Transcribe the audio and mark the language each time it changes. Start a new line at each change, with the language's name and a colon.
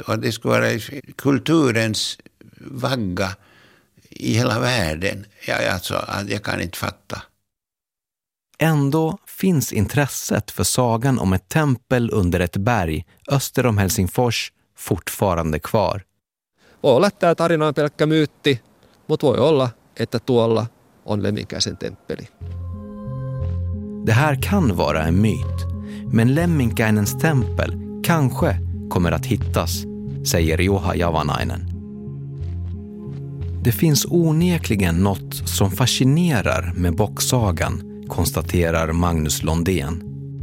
Swedish: Och det ska vara kulturens vagga i hela världen. Jag kan inte fatta. Ändå finns intresset för sagan om ett tempel under ett berg öster om Helsingfors fortfarande kvar.
Finnish: Olet tämä tarina on pelkkä myytti, mutta voi olla, että tuolla on Lemminkäisen temppeli.
Swedish: Det här kan vara en myt, men Lemminkäinens tempel kanske kommer att hittas, säger Juha Javanainen. Det finns onekligen något som fascinerar med Bocksagan, konstaterar Magnus Londén.